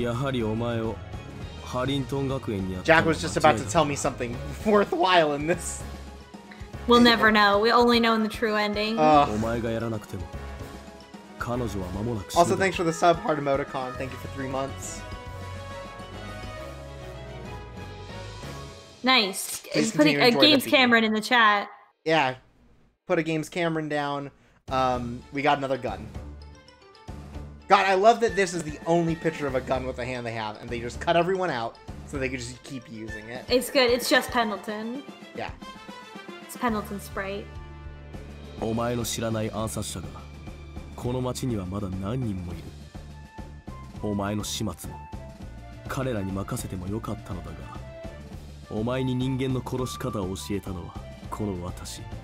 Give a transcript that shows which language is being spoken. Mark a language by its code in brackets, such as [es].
[ja] やはりお前をハリントン学園にやった。 [en] Jack was just about to tell me something worthwhile in this. We'll never know. We only know in the true ending. [ja] お前がやらなくても彼女は間もなく死ぬ。 [en] Also, thanks for the sub, Heart Emoticon. Thank you for 3 months. Nice. He's putting a Games Cameron in the chat. Yeah. Put a Games Cameron down. We got another gun. God, I love that this is the only picture of a gun with a hand they have, and they just cut everyone out so they could just keep using it. It's good. It's just Pendleton. Yeah. It's Pendleton Sprite. [ja] お前の知らない暗殺者がこの町にはまだ何人もいる。お前の始末も彼らに任せてもよかったのだが、お前に人間の殺し方を教えたのはこの私。